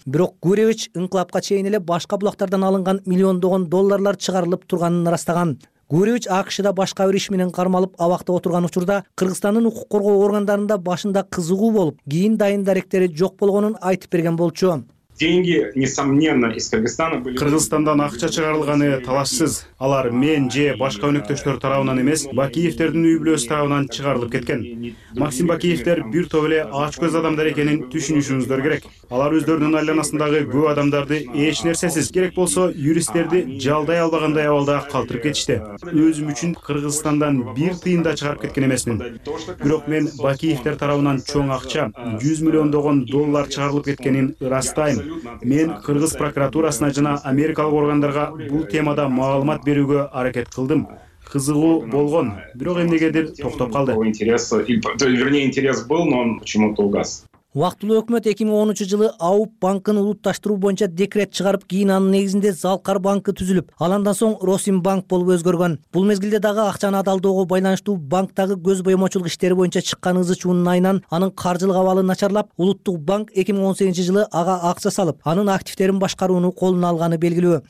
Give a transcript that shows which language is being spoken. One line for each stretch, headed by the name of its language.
Kyrgyz: Бирок Гуревич инкылапка чейин эле башка булактардан алынган миллиондогон долларлар чыгарылып турганын ырастаган. Гуревич АКШда башка бир иш менен кармалып абакта отурган учурда Кыргызстандын укук коргоо органдарында башында кызыгуу болуп, кийин дайын даректери жок болгонун айтып берген болчу.
Russian: Деньги, несомненно, из Кыргызстана были...
Kyrgyz: Кыргызстандан акча чыгарылганы талашсыз. Алар мен же башка өнөктөштөр тарабынан эмес, Бакиевтердин үй бүлөсү тарабынан чыгарылып кеткен. Максим Бакиевтер бир топ эле ач көз адамдар экенин түшүнүшүңүздөр керек. Алар өздөрүнүн айланасындагы көп адамдарды эч нерсесиз, керек болсо юристтерди жалдай албагандай абалда калтырып кетишти. Өзүм үчүн Кыргызстандан бир тыйын да чыгарып кеткен эмесмин. Бирок мен Бакиевтер тарабынан чоң акча, 100 миллиондогон доллар чыгарылып кеткенин ырастайм. Мен Кыргыз прокуратурасына жана америкалык органдарга бул темада маалымат берүүгө аракет кылдым. Кызыгуу болгон, бирок эмнегедир токтоп калды.
Russian: Интерес был, но он почему-то угас.
Kyrgyz: Убактылуу өкмөт 2013 жылы АУБ банкын улутташтыруу боюнча декрет чыгарып, кийин анын негизинде Залкар банкы түзүлүп, ал андан соң Росимбанк болуп өзгөргөн. Бул мезгилде дагы акчаны адалдоого байланыштуу банктагы көз боемочулук иштери боюнча чыккан ызы чуунун айынан анын каржылык абалы начарлап, улуттук банк 2018 жылы ага акча салып, анын активдерин башкарууну колуна алганы белгилүү.